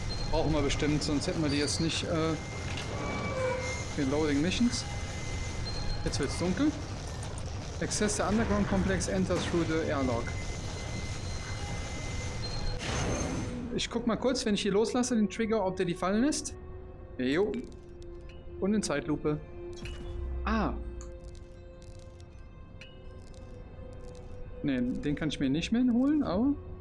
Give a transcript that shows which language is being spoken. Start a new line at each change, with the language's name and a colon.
German: Brauchen wir bestimmt, sonst hätten wir die jetzt nicht in Loading Missions. Jetzt wird's dunkel.
English: Access the underground complex, enter through the airlock.
German: Ich guck mal kurz, wenn ich hier loslasse, den Trigger, ob der die fallen lässt. Jo. Und in Zeitlupe. Ah. Ne, den kann ich mir nicht mehr holen, aber...